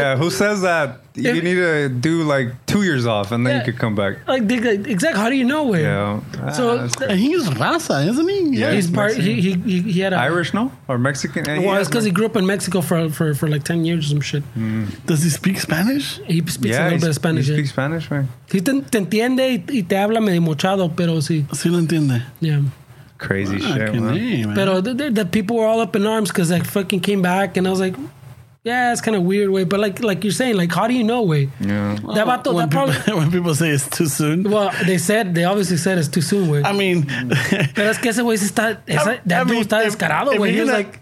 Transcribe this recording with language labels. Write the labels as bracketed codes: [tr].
[en] yeah, who says that you need to do like 2 years off and then you could come back? Like, exactly. How do you know where? Yeah. So, he's raza, isn't he? Yeah, he's part. He had a... Irish, no? Or Mexican? Well, it's because he grew up in Mexico for like 10 years or some shit. Mm. Does he speak Spanish? He speaks a little bit of Spanish. He speaks Spanish, right? [es] Si te entiende y te habla medio mochado, pero sí. Sí lo entiende. [en] Yeah. Crazy shit, man. But the people were all up in arms because I fucking came back and I was like, Yeah, it's kind of weird way, but like you're saying, like, how do you know way? Yeah. That bato, when people say it's too soon. Well, they obviously said it's too soon, way. I mean, [es] pero es que ese güey se está, está descarado, güey.